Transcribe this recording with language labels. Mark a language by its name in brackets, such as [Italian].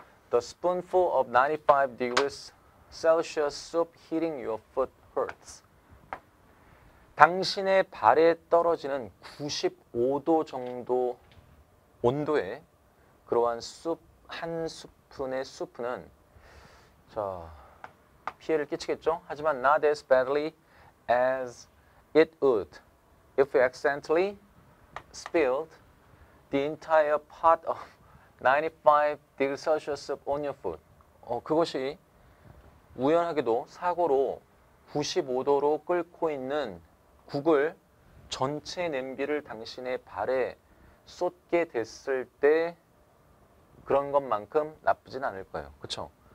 [English] The spoonful of 95 degrees Celsius soup hitting your foot hurts. [Korean] 당신의 발에 떨어지는 95도 정도 온도의 그러한 숲, 한 스푼의 수프는 자, 피해를 끼치겠죠? 하지만 [English] not as badly as it would if you accidentally spilled the entire pot of 95 degrees Celsius soup on your foot. [Korean] 그것이 우연하게도 사고로 95도로 끓고 있는 국을 전체 냄비를 당신의 발에 쏟게 됐을 때 그런 것만큼 나쁘진 않을 거예요. 그쵸?